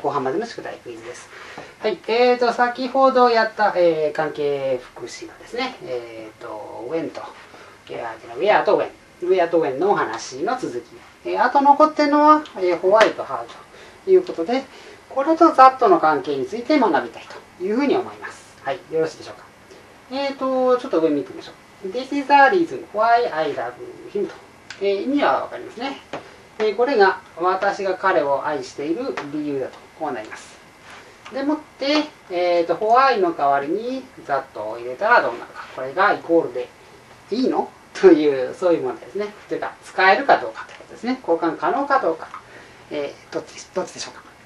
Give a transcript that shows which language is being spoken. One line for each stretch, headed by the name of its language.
Japanese: 後半までの宿題クイズです。はい、先ほどやった、関係副詞のですね、when と、where と when、where と when のお話の続き。あと残ってるのは、ホワイト、ハウということで、これとざっとの関係について学びたいというふうに思います。はい、よろしいでしょうか。ちょっと上見てみましょう。
English: This is a reason why I love him と。
Japanese: 意味はわかりますね。これが私が彼を愛している理由だと、こうなります。でもって、why の代わりに that を入れたらどうなるか。これがイコールでいいのという、そういうものですね。というか、使えるかどうかということですね。交換可能かどうか。どっちでしょうか。